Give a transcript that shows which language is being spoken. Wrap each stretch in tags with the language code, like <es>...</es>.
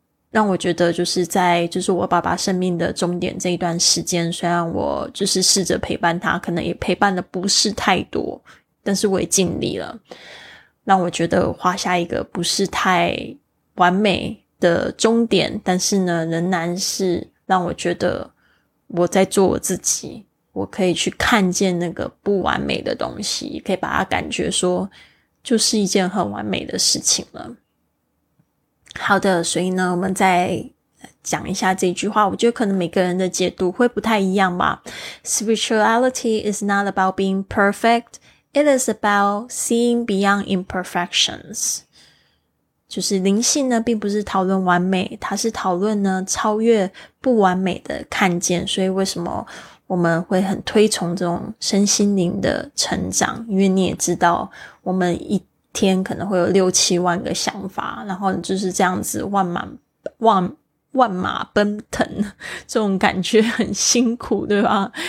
<zh>让我觉得就是在就是我爸爸生命的终点这一段时间，虽然我就是试着陪伴他，可能也陪伴的不是太多，但是我也尽力了，让我觉得画下一个不是太完美的终点，但是呢仍然是让我觉得我在做我自己，我可以去看见那个不完美的东西，可以把它感觉说就是一件很完美的事情了。好的，所以呢我们再讲一下这句话，我觉得可能每个人的解读会不太一样吧。</zh> <en>Spirituality is not about being perfect, it is about seeing beyond imperfections.</en> <zh>就是灵性呢并不是讨论完美，它是讨论呢超越不完美的看见。所以为什么我们会很推崇这种身心灵的成长，因为你也知道我们一天可能会有六七万个想法，然后就是这样子万马奔腾，这种感觉很辛苦对吧。</zh>